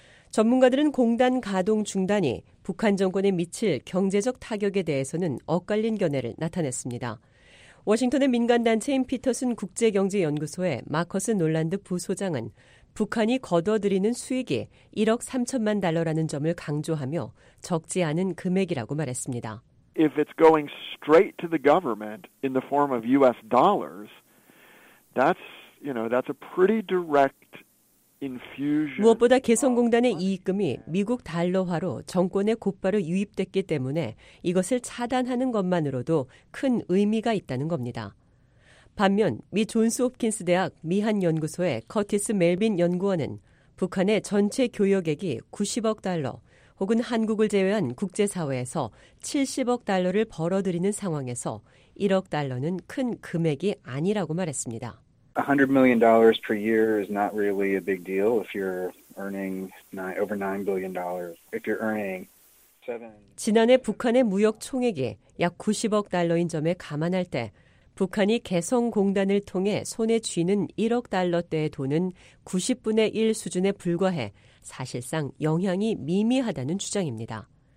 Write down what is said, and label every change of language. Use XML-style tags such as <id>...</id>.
<ko>전문가들은 공단 가동 중단이 북한 정권에 미칠 경제적 타격에 대해서는 엇갈린 견해를 나타냈습니다. 워싱턴의 민간단체인 피터슨 국제경제연구소의 마커스 놀란드 부소장은 북한이 거둬들이는 수익이 1억 3천만 달러라는 점을 강조하며 적지 않은 금액이라고 말했습니다.</ko> <en>If it's going straight to the government in the form of US dollars, that's a pretty direct infusion.</en> <ko>무엇보다 개성공단의 이익금이 미국 달러화로 정권에 곧바로 유입됐기 때문에 이것을 차단하는 것만으로도 큰 의미가 있다는 겁니다. 반면 미 존스 홉킨스 대학 미한연구소의 커티스 멜빈 연구원은 북한의 전체 교역액이 90억 달러 혹은 한국을 제외한 국제사회에서 70억 달러를 벌어들이는 상황에서 1억 달러는 큰 금액이 아니라고 말했습니다.</ko> <en>$100 million per year is not really a big deal if you're earning over $9 billion. If you're earning</en> <ko>지난해 북한의 무역 총액이 약 90억 달러인 점에 감안할 때 북한이 개성공단을 통해 손에 쥐는 1억 달러대의 돈은 90분의 1 수준에 불과해 사실상 영향이 미미하다는 주장입니다.</ko>